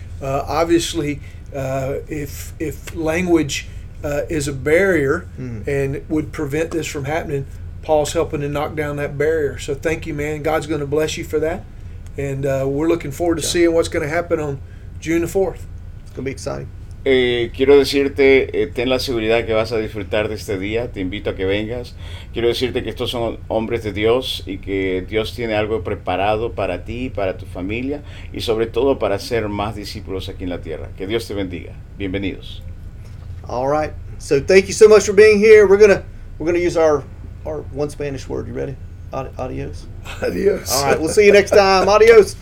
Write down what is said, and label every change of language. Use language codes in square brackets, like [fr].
[en] Obviously, if language is a barrier and would prevent this from happening, Paul's helping to knock down that barrier. So thank you, man. God's going to bless you for that. And we're looking forward to seeing what's going to happen on June the 4th. It's going to be exciting. [es] Quiero decirte, ten la seguridad que vas a disfrutar de este día. Te invito a que vengas. Quiero decirte que estos son hombres de Dios y que Dios tiene algo preparado para ti, para tu familia y sobre todo para ser más discípulos aquí en la tierra. Que Dios te bendiga. Bienvenidos. [en] All right. So thank you so much for being here. We're gonna use our one Spanish word. You ready? [es] Adios. Adios. [en] All right. We'll see you next time. Adios.